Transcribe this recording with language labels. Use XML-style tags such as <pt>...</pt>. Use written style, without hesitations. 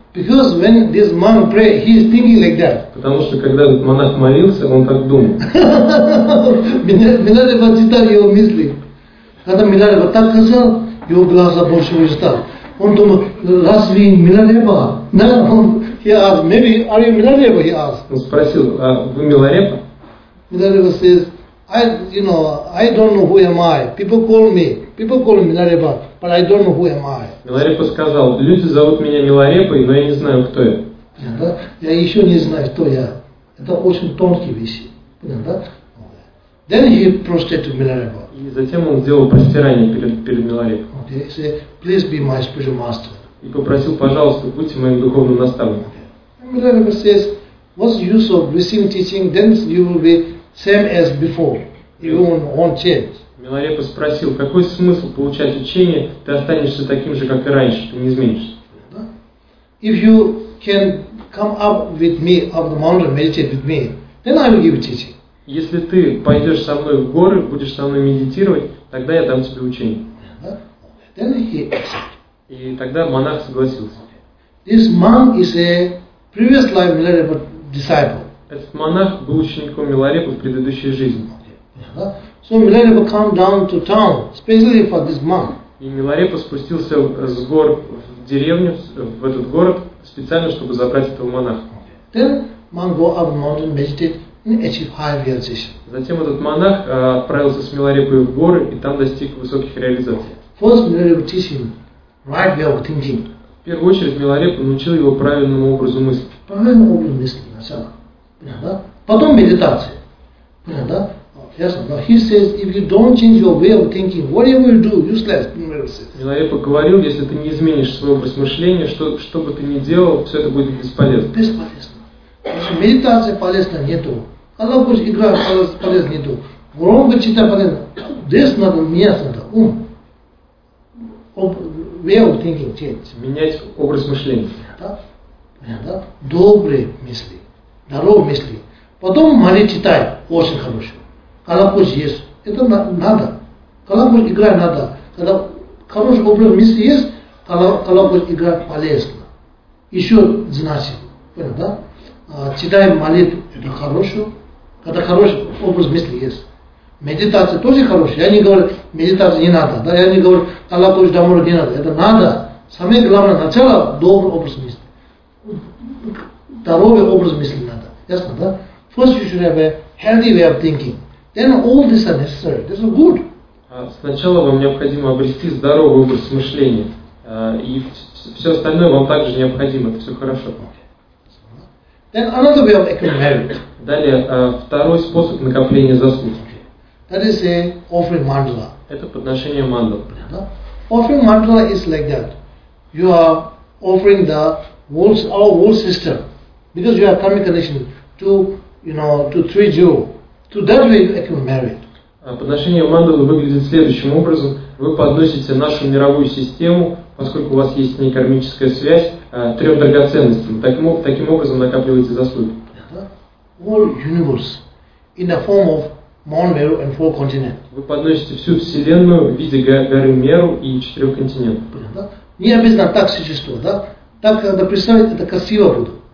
<en>Because when this monk pray, he is thinking like that.</en> <ru>Потому что когда этот монах молился, он так думал. Миларепа читал его мысли. Когда Миларепа так сказал, его глаза больше не стал. Он думал, разве Миларепа?</ru> <en>He asked, maybe are you Миларепа? He asked.</en> <ru>Он спросил, а вы Миларепа?</ru> <en>Миларепа says, I don't know who am I. People call me Миларепа, but I don't know who am I.</en> <ru>Миларепа сказал, люди зовут меня Миларепой, но я не знаю, кто я. Понятно, да? Я еще не знаю, кто я. Это очень тонкие вещи. Понятно, да?</ru> <en>Then he prostrated to Миларепа.</en> <ru>И затем он сделал простирание перед Миларепой.</ru> <en>Okay, he said, please be my spiritual master.</en> <ru>И попросил, пожалуйста, будьте моим духовным наставником.</ru> <en>Okay. Миларепа says, what's the use of receiving teaching, then you will be same as before, even on change.</en> <ru>Миларепа спросил, какой смысл получать учение, ты останешься таким же, как и раньше, ты не изменишься.</ru> <en>If you can come up with me up the mountain, meditate with me, then I will give teaching.</en> <ru>Если ты пойдешь со мной в горы, будешь со мной медитировать, тогда я дам тебе учение.</ru> <en>Then he accepted.</en> <ru>И тогда монах согласился.</ru> <en>This monk is a previous life Миларепа disciple.</en> <ru>Этот монах был учеником Миларепы в предыдущей жизни.</ru> <en>So Миларепа came down to town, especially for this monk.</en> <ru>И Миларепа спустился с гор в деревню, в этот город, специально, чтобы забрать этого монаха.</ru> <en>Then monk go up mountain, meditate, and achieve high realization.</en> <ru>Затем этот монах отправился с Миларепой в горы и там достиг высоких реализаций.</ru> <en>First Миларепа teach him right way of thinking.</en> <ru>В первую очередь Миларепа научил его правильному образу мысли. Правильному образу мысли, сначала. Понятно? Потом медитация. Понятно? Ясно. Но he says, if you don't change your way of thinking, whatever you do, useless. Миларепа говорил, если ты не изменишь свой образ мышления, что бы ты ни делал, все это будет бесполезно. Бесполезно. Значит, медитация полезна нету. Когда будешь играть, полезно нету. Громко читать полезно. Здесь надо меняться. Ум.</ru> <en>way of thinking change.</en> <ru>Менять образ мышления. Да? Понятно? Добрые мысли, здоровые мысли. Потом молитву читай, очень хорошо. Колокольчик есть, это надо. Колокольчик играть надо. Когда хороший образ мысли есть, колокольчик играть полезно. Еще значит, понятно? Читаем молитву, это хорошо. Когда хороший образ мысли есть. Медитация тоже хорошая. Я не говорю, медитация не надо. Да? Я не говорю, Аллах хочет домой, не надо. Это надо. Самое главное, начало добрый образ мысли. Здоровый образ мысли надо. Ясно, да?</ru> <en>First you should have a healthy way of thinking. Then all this are necessary. This is good.</en> <ru>Сначала вам необходимо обрести здоровый образ мышления. И все остальное вам также необходимо. Это все хорошо.</ru> <en>Then another way of accumulating merit.</en> <ru>Далее, второй способ накопления заслуг.</ru> <en>That is a offering mandala.</en> <ru>Это подношение мандалы.</ru> <en>Yeah. Offering mandala is like that. You are offering the whole our whole system because you are karmic condition to you know to treat you. To that way you accumulate merit.</en> <ru>Подношение мандалы выглядит следующим образом. Вы подносите нашу мировую систему, поскольку у вас есть не кармическая связь, трем драгоценностям. Таким образом накапливаете заслуги.</ru> <en>Yeah. All universe in the form of Mount Meru and four continents.</en> <ru>Вы подносите всю вселенную в виде горы Меру и четырех континентов. Понятно? Не обязательно так существует, да? Так надо представить, это красиво будет.</ru>